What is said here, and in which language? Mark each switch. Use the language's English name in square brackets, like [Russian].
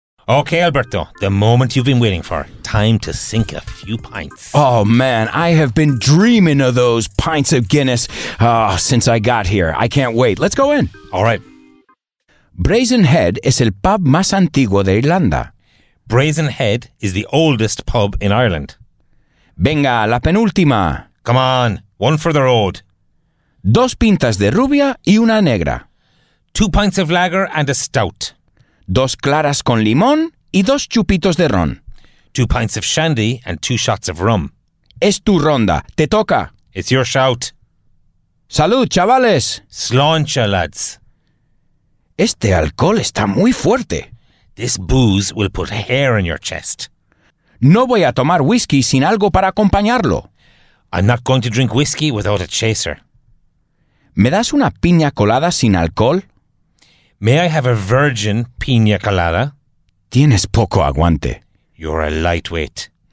[English] Okay, Alberto, the moment you've been waiting for. Time to sink a few pints. Oh, man, I have been dreaming of those pints of Guinness since I got here. I can't wait. Let's go in. All right. [Spanish] Brazen Head es el pub más antiguo de Irlanda. [English] Brazen Head is the oldest pub in Ireland. [Spanish] Venga, la penúltima. [English] Come on, one for the road. [Spanish] Dos pintas de rubia y una negra. [English] 2 pints of lager and a stout. [Spanish] Dos claras con limón y dos chupitos de ron. [English] 2 pints of shandy and 2 shots of rum. [Spanish] Es tu ronda, te toca. [English] It's your shout. [Spanish] Salud, chavales. [English] Sláinte, lads. [Spanish] Este alcohol está muy fuerte. [English] This booze will put hair on your chest. [Spanish] No voy a tomar whisky sin algo para acompañarlo. [English] I'm not going to drink whisky without a chaser. [Spanish] ¿Me das una piña colada sin alcohol? [English] May I have a virgin piña colada? [Spanish] Tienes poco aguante. [English] You're a lightweight.